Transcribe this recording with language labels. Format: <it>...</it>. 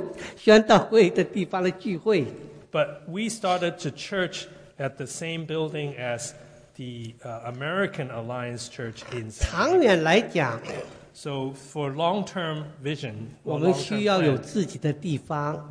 <zh>但是我们晓得，我刚刚开始开荒的时候是在那个美国华人宣道会的地方啊，美国的宣道会的地方的聚会。</zh> <en>But we started to church at the same building as the American Alliance Church in San Diego.</en> <zh>长远来讲,</zh> <en>so for long-term vision,</en> <zh>我们需要有自己的地方,</zh>